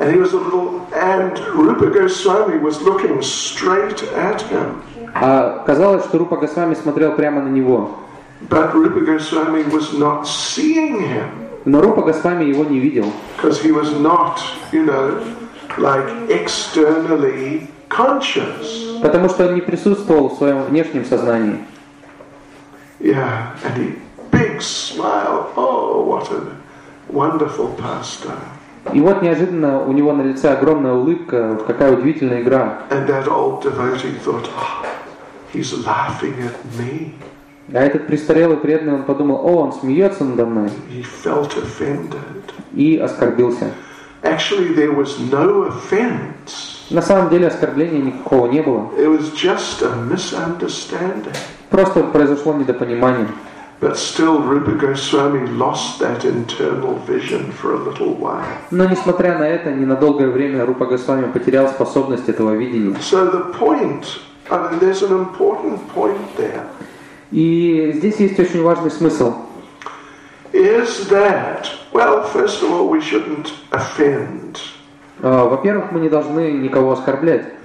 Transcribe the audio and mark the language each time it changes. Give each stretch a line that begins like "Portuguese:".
English: And he was a little, and Rupa Goswami was looking straight at him.
Russian: А казалось, что Рупа Госвами смотрел прямо на него.
English: But Rupa Goswami was not seeing him.
Russian: Но Рупа Госвами его не видел.
English: Because he was not, you know, like externally conscious.
Russian: Потому что он не присутствовал в своем внешнем сознании.
English: Yeah, and he big smile. Oh, what a wonderful pastime.
Russian: И вот неожиданно у него на лице огромная улыбка, какая удивительная игра.
English: And that old devotee thought, oh, he's laughing at me.
Russian: А этот престарелый преданный, он подумал, о, он смеется надо мной.
English: He felt offended.
Russian: И оскорбился.
English: Actually, there was no offense.
Russian: На самом деле оскорбления никакого не было.
English: It was just a misunderstanding.
Russian: Просто произошло недопонимание.
English: But still, Rupa Goswami lost that internal vision for a little while.
Russian: Но несмотря на это, ненадолгое время Рупа Госвами потерял способность этого видения.
English: So the point, I mean, there's an important point there.
Russian: И здесь есть очень важный смысл.
English: Is that, well, first of all, we shouldn't offend.
Russian: Во-первых, мы не должны никого оскорблять.